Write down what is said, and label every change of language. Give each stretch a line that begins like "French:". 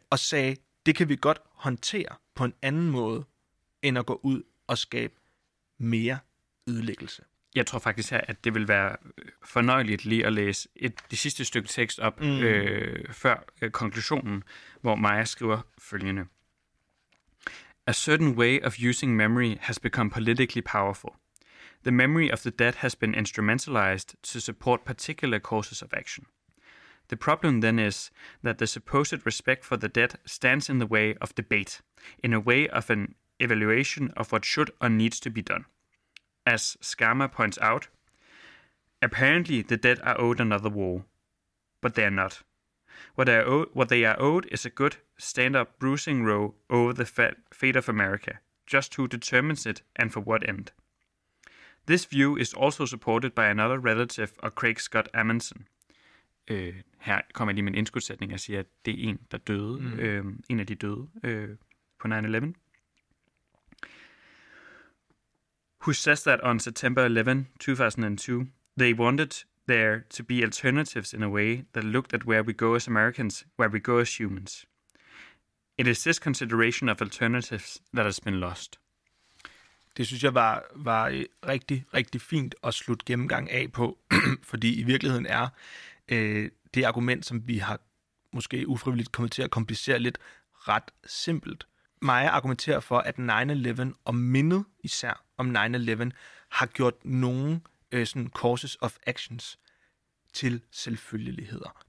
Danish: Og sagde, det kan vi godt håndtere på en anden måde, end at gå ud og skabe mere ødelæggelse. Jeg tror faktisk her, at det vil være fornøjeligt lige at læse det sidste stykke tekst op, før konklusionen, hvor Maja skriver følgende.
English: A certain way of using memory has become politically powerful. The memory of the dead has been instrumentalized to support particular courses of action. The problem then is that the supposed respect for the dead stands in the way of debate, in a way of an evaluation of what should or needs to be done. As Skarma points out, apparently the dead are owed another war, but they are not. What they are owed is a good stand-up bruising row over the fate of America, just who determines it and for what end. This view is also supported by another relative of Craig Scott Amundsen.
Danish: Her kommer jeg lige med en indskudsætning og siger, at det er en, der døde. Mm. En af de døde på 9/11.
English: Who says that on September 11, 2002, they wanted there to be alternatives in a way that looked at where we go as Americans, where we go as humans. It is this consideration of alternatives that has been lost.
Danish: Det synes jeg var rigtig, rigtig fint at slutte gennemgang af på, fordi i virkeligheden er det argument, som vi har måske ufrivilligt kommet til at komplicere lidt, ret simpelt. Maja argumenterer for, at 9/11 og mindet især om 9/11 har gjort nogle sådan
English: courses of actions
Danish: til selvfølgeligheder.